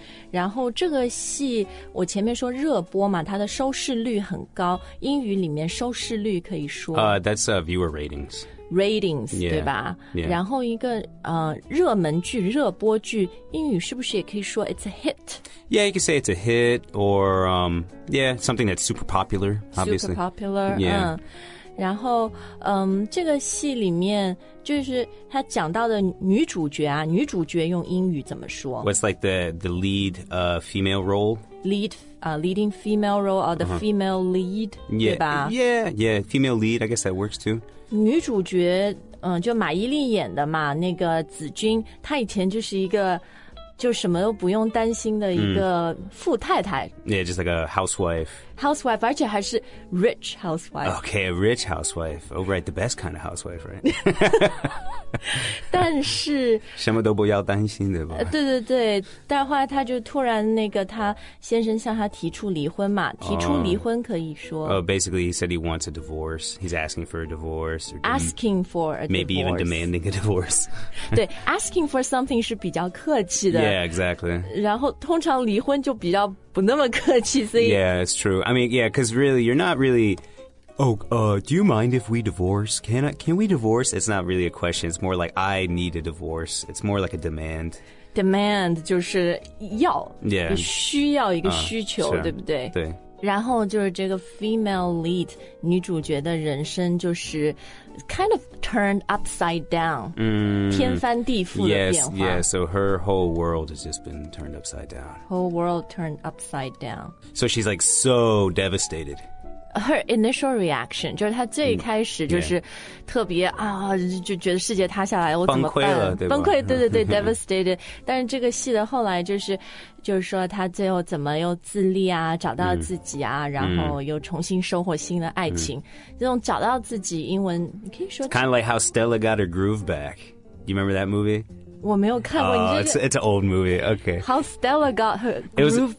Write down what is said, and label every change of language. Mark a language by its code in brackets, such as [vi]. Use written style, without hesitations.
[zh] 然后这个戏我前面说热播嘛，它的收视率很高，英语里面收视率可以说 [en] That's viewer ratings. Ratings, yeah, [zh] 对吧、 [en] yeah. [zh] 然后一个热门剧热播剧英语是不是也可以说 [en] it's a hit? Yeah, you can say it's a hit or, yeah, something that's super popular, obviously. Super popular, yeah. [zh] 然后这个戏里面就是他讲到的女主角啊，女主角用英语怎么说？ [en] What's like the lead female role? Leading female role or the female lead,、 yeah. [zh] 对吧？ [en] Yeah, female lead, I guess that works too. [zh] 女主角就马伊琍演的嘛，那个子君，她以前就是一个就什么都不用担心的一个富太太。 [en] Yeah, just like a housewife. Housewife, [zh] 而且还是 [en] rich housewife. Okay, a rich housewife. Oh, right, the best kind of housewife, right? [zh] 但是什么都不要担心，对吧？对对对，但后来她就突然那个她先生向她提出离婚嘛，提出离婚可以说。 [en] Basically, he said he wants a divorce. He's asking for a divorce. Asking for a divorce. Maybe even demanding a divorce. [zh] 对 ， [en] asking for something [zh] 是比较客气的。 [en] Yeah, exactly. [zh] 然后通常离婚就比较不那么客气，所以 [en] Yeah, it's true. I mean, yeah, because really, you're not really. Do you mind if we divorce? Can we divorce? It's not really a question. It's more like I need a divorce. It's more like a demand. [zh] Demand 就是要 [en] Yeah, [zh] 需要一个需求、 [en] sure. [zh] 对不对？对。然后就是这个 female lead 女主角的人生就是 [en] kind of turned upside down、 [zh] 天翻地覆的变化 [en] yes, yeah, so her whole world has just been turned upside down whole world turned upside down so she's like so devastated her initial reaction [zh] 就是她最开始就是特别、就觉得世界塌下来我怎么办崩溃了对吧崩溃对对对devastated 但是这个戏的后来就是就是说他最后怎么又自立啊找到自己啊、然后又重新收获新的爱情、这种找到自己英文你可以说 [en] It's kind of like how Stella got her groove back You remember that movie? [zh] 我没有看过、 [en] it's an old movie, okay How Stella got her groove back